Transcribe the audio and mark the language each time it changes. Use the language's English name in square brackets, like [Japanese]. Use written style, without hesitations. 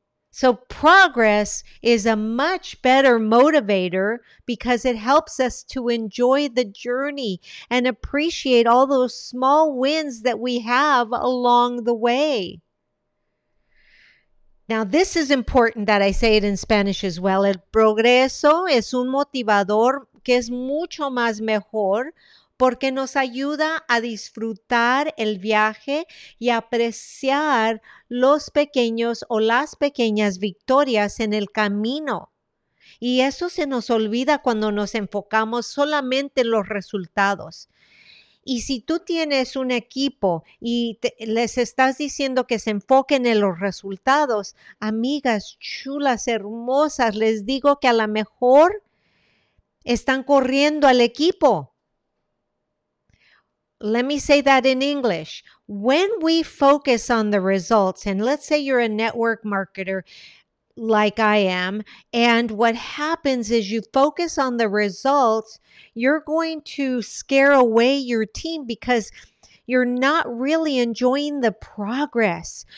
[English] So progress is a much better motivator because it helps us to enjoy the journey and appreciate all those small wins that we have along the way. Now, this is important that I say it in Spanish as well. [Spanish] El progreso es un motivador que es mucho más mejor porque nos ayuda a disfrutar el viaje y apreciar los pequeños o las pequeñas victorias en el camino. Y eso se nos olvida cuando nos enfocamos solamente en los resultados. Y si tú tienes un equipo y les estás diciendo que se enfoquen en los resultados, amigas chulas, hermosas, les digo que a lo mejor están corriendo al equipo. [English] Let me say that in English. When we focus on the results, and let's say you're a network marketer like I am, and what happens is you focus on the results, you're going to scare away your team because you're not really enjoying the progress.